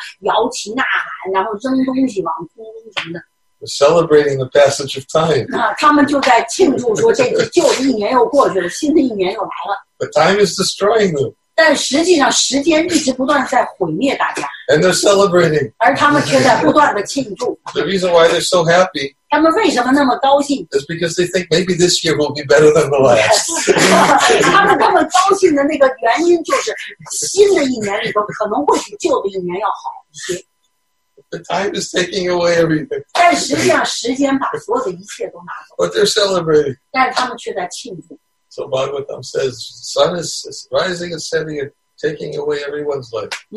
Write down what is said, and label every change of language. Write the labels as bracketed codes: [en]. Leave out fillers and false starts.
[zh] 他说在美国的时候，一旦过那个元旦的时候，就每一个人元旦夜的时候就开始什么摇旗呐喊，然后扔东西往空中什么的。 [en] Celebrating the passage of time. [zh] 他们就在庆祝说这旧的一年又过去了，新的一年又来了。 [en] But time is destroying them. [zh] 但实际上，时间一直不断在毁灭大家。 [en] And they're celebrating. [zh] 而他们却在不断的庆祝。 [en] The reason why they're so happy. [zh] 他们为什么那么高兴？ [en] Is because they think maybe this year will be better than the last. [zh] 他们高兴的那个原因就是，新的一年里头可能会比旧的一年要好一些。 [en] The time is taking away everything. [zh] 但实际上，时间把所有的一切都拿走。 [en] But they're celebrating. [zh] 但他们却在庆祝。 [en] So Bhagavatam says, "Sun is rising and setting and taking away everyone's life."